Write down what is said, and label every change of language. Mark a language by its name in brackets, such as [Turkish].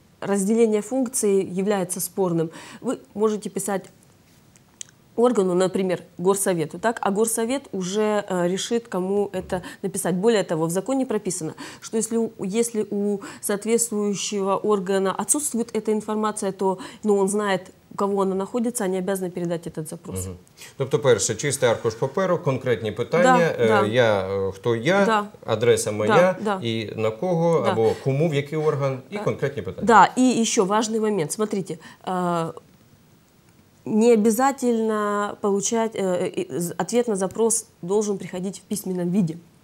[Russian] разделение функций является спорным. Вы можете писать органу, например, горсовету, так, а горсовет уже решит, кому это написать. Более того, в законе прописано, что если у соответствующего органа отсутствует эта информация, то ну, он знает, у кого она находится, они обязаны передать этот запрос. Угу. [Ukrainian] Тобто, перше, чистий аркуш паперу, конкретні питання, я, хто я, адреса моя, і на кого, або кому, в який орган, і конкретні питання. [Russian] Да, и еще важный момент, смотрите, не обязательно получать ответ на запрос должен приходить в письменном виде.